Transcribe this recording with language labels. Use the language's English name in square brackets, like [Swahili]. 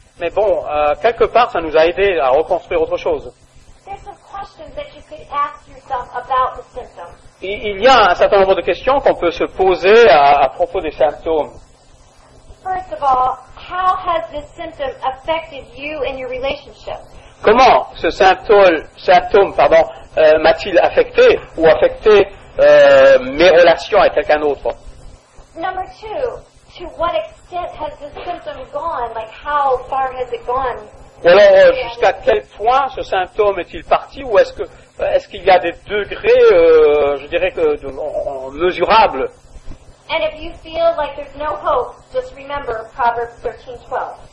[French] Mais bon, quelque part, ça nous a aidé à reconstruire autre chose. [English] There's some questions that you could ask yourself about the symptoms. [French] Il y a un certain nombre de questions qu'on peut se poser à propos des symptômes. [English] First of all, how has this symptom affected you and your relationship? [French] Comment ce symptôme, m'a-t-il affecté ou affecté mes relations avec quelqu'un d'autre? [English] Number two, to what extent has this symptom gone? Like how far has it gone? [French] Ou alors jusqu'à quel point ce symptôme est-il parti ou est-ce qu'il y a des degrés, je dirais que mesurables? [English] And if you feel like there's no hope, just remember Proverbs 13:12.